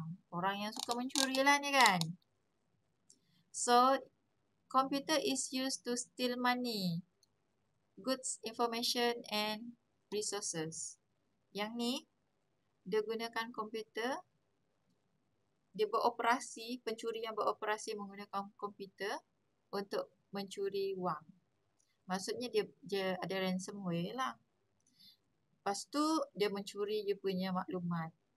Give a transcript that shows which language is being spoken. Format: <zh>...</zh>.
<ms>Orang yang suka mencuri lah ni kan.</ms> <en>So, computer is used to steal money, goods, information and resources.</en> <ms>Yang ni, dia gunakan komputer, dia beroperasi, pencuri yang beroperasi menggunakan komputer untuk mencuri wang. Maksudnya dia ada ransomware lah. Lepas tu, dia mencuri dia punya maklumat.</ms>